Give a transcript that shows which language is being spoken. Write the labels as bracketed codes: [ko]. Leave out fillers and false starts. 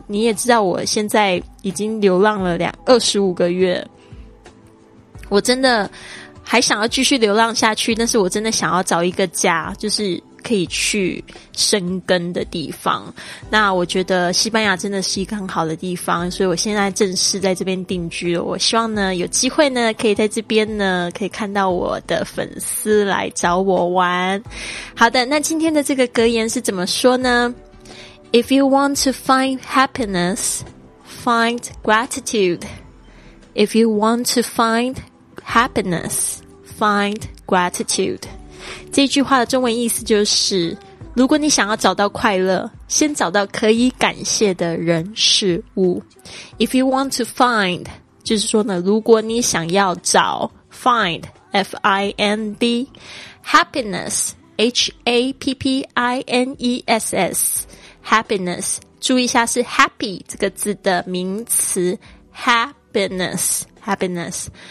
[zh] 你也知道我现在已经流浪了25个月，我真的还想要继续流浪下去，但是我真的想要找一个家，就是可以去生根的地方。那我觉得西班牙真的是一个很好的地方，所以我现在正式在这边定居了。我希望呢有机会呢可以在这边呢可以看到我的粉丝来找我玩。好的，那今天的这个格言是怎么说呢？ [en] If you want to find happiness, find gratitude. If you want to find happiness, find gratitude. [zh] 这句话的中文意思就是，如果你想要找到快乐，先找到可以感谢的人事物。 [en] If you want to find [zh] 就是说呢，如果你想要找 find F-I-N-D happiness H-A-P-P-I-N-E-S-S happiness， 注意一下是 happy 这个字的名词 happinessHappiness.